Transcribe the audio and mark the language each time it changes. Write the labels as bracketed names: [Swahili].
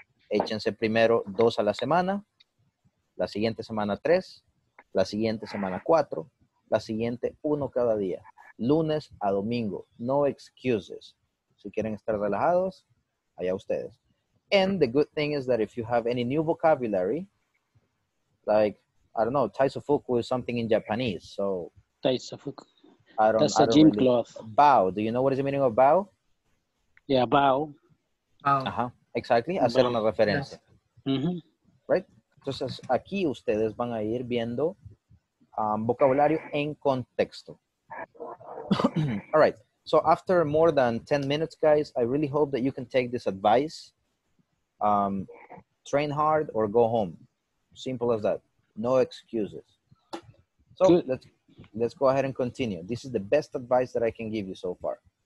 [Spanish] Échense primero 2 a la semana, la siguiente semana 3, la siguiente semana 4, la siguiente 1 cada día, lunes a domingo, [English] no excuses. [Spanish] Si quieren estar relajados, allá ustedes. [English] And the good thing is that if you have any new vocabulary, like, I don't know, taisofuku is something in Japanese, so. Taisofuku. That's a gym really, cloth. Bow, do you know what is the meaning of bow? Yeah, about. Ajá, exactly, about. [Spanish] Hacer una referencia. [English] Yes. Mm-hmm. Right? [Spanish] Entonces, aquí ustedes van a ir viendo vocabulario en contexto. [English] All right. So after more than 10 minutes, guys, I really hope that you can take this advice. Train hard or go home. Simple as that. No excuses. So let's go ahead and continue. This is the best advice that I can give you so far.